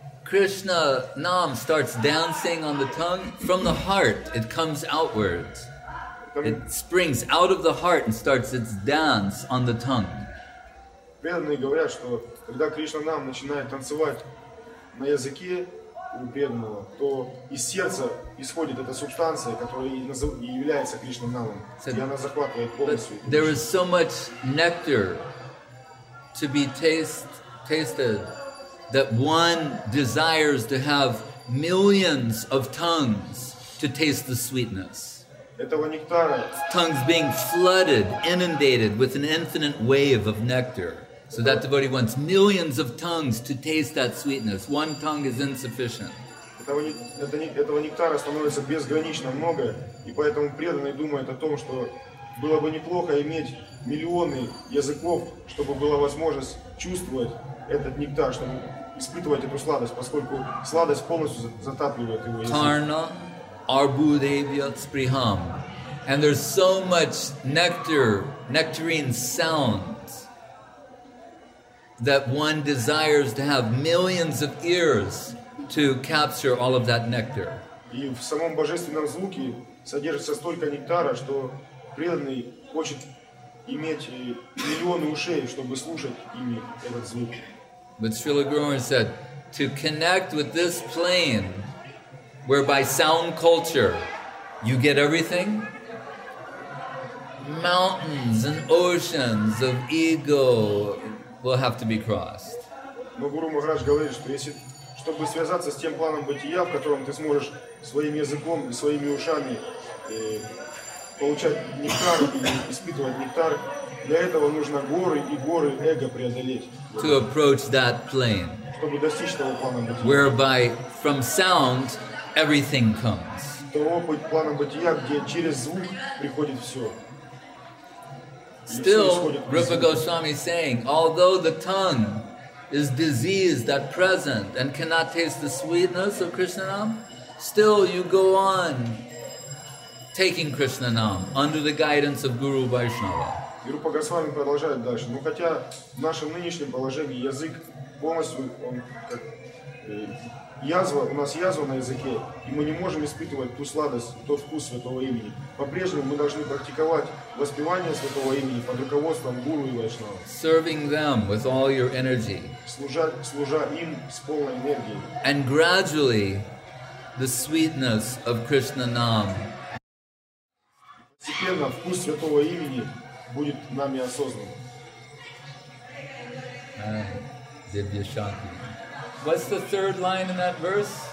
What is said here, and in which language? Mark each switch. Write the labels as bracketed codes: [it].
[en] Krishna Nam starts dancing on the tongue from the heart. It comes outwards. It springs out of the heart and starts its dance on the tongue. [ru] Преданные говорят, что когда Кришна Нам начинает танцевать на языке у преданного, то из сердца исходит эта субстанция, которая и является Кришна Намом, и она захватывает полностью. [en] There is so much nectar to be tasted that one desires to have millions of tongues to taste the sweetness. [ru] Этого нектара. [en] Tongues being flooded, inundated with an infinite wave of nectar. So that devotee wants millions of tongues to taste that sweetness. One tongue is insufficient. [ru] Этого нектара становится безгранично много, и поэтому преданный думает о том, что было бы неплохо иметь миллионы языков, чтобы была возможность чувствовать этот нектар, чтобы испытывать эту сладость, поскольку сладость полностью затапливает его язык. [sa] Tarna arbudevya spriham. [en] And there's so much nectarine sound that one desires to have millions of ears to capture all of that nectar. [ru] И в самом божественном звуке содержится столько нектара, что преданный хочет иметь миллионы ушей, чтобы слушать ими этот звук. [en] But Srila Guru said, to connect with this plane, whereby sound culture, you get everything, mountains and oceans of ego will have to be crossed. [ru] Но Гуру Махарадж говорит, что если чтобы связаться с тем планом бытия, в котором ты сможешь своим языком и своими ушами получать нектар и испытывать нектар, для этого нужно горы и горы эго преодолеть. [en] To approach that plane. [ru] Чтобы достичь того плана бытия. [en] Whereby from sound everything comes. [ru] Того плана бытия, где через звук приходит все. [en] Still, Rupa Goswami is saying, although the tongue is diseased at present and cannot taste the sweetness of Krishna Nam, still you go on taking Krishna Nam under the guidance of Guru Vaishnava. [ru] Rupa Goswami продолжает дальше. Но хотя в нашем нынешнем положении язык полностью, он как язва, у нас язва на языке, и мы не можем испытывать ту сладость, тот вкус святого имени. По-прежнему мы должны практиковать воспевание святого имени под руководством Гуру и Вайшнава. [en] Serving them with all your energy. [ru] Служа им с полной энергией. [en] And gradually the sweetness of Krishna Nam. [ru] Постепенно вкус святого имени будет нами осознан. Дивьяшанти. [en] What's the third line in that verse?